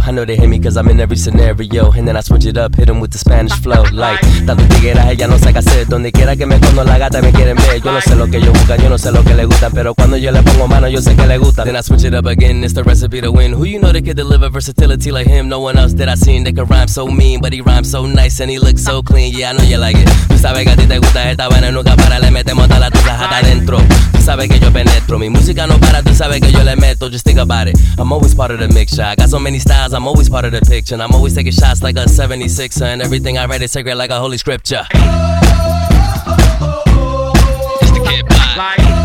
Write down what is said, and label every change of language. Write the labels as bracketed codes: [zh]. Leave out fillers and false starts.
[en] I know they hate me cause I'm in every scenario. And then I switch it up, hit them with the Spanish flow. [es] Like, tanto tigera, ella no sabe qué hacer. Donde quiera que me escondo, la gata me quieren ver. Yo no sé lo que ellos buscan, yo no sé lo que le gustan. Pero cuando yo le pongo mano, yo sé que le gustan. [en] Then I switch it up again, it's the recipe to win. Who you know that can deliver versatility like him? No one else that I seen that can rhyme so mean. But he rhymes so nice and he looks so clean. Yeah, I know you like it. [es] Tú sabes que a ti te gusta esta vaina, nunca para. Le metemos toda la tuza hasta adentro. Tú sabes que yo penetro. Mi música no para, tú sabes que yo le meto. [en] Just think about it, I'm always part of the mixture. I got so many styles, I'm always part of the picture. And I'm always taking shots like a 76er. And everything I write is sacred like a holy scripture. Oh, oh, oh, oh, oh. It's the kid, like.